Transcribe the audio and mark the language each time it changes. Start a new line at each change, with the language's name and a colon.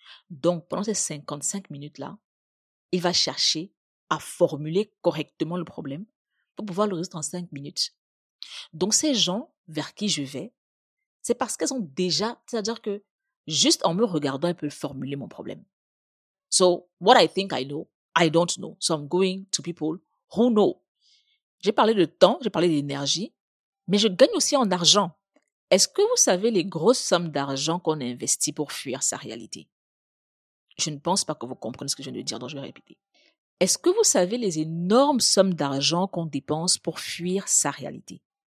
French: Donc, pendant ces 55 minutes-là, il va chercher à formuler correctement le problème pour pouvoir le résoudre en 5 minutes. Donc, ces gens vers qui je vais, c'est parce qu'elles ont déjà, c'est-à-dire que juste en me regardant, elles peuvent formuler mon problème.
English: So, what I think I know, I don't know. So, I'm going to people who know.
French: J'ai parlé de temps, j'ai parlé d'énergie, mais je gagne aussi en argent. Est-ce que vous savez les grosses sommes d'argent qu'on investit pour fuir sa réalité? Je ne pense pas que vous compreniez ce que je viens de dire, donc je vais répéter. Est-ce que vous savez les énormes sommes d'argent qu'on dépense pour fuir sa réalité?